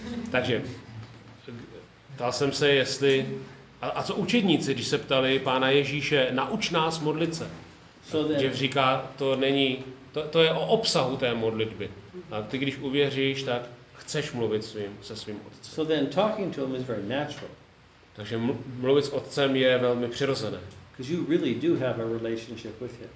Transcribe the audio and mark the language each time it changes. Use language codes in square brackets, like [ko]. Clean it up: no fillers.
[cs] Takže ptal jsem se, jestli a co učedníci, když se ptali Pána Ježíše, nauč nás modlit se. Jev říká, to není, to je o obsahu té modlitby. A ty když uvěříš, tak chceš mluvit se svým otcem. [en] So then talking to him is very natural. [cs] Takže mluvit s otcem je velmi přirozené. [en] Because you really do have a relationship with him.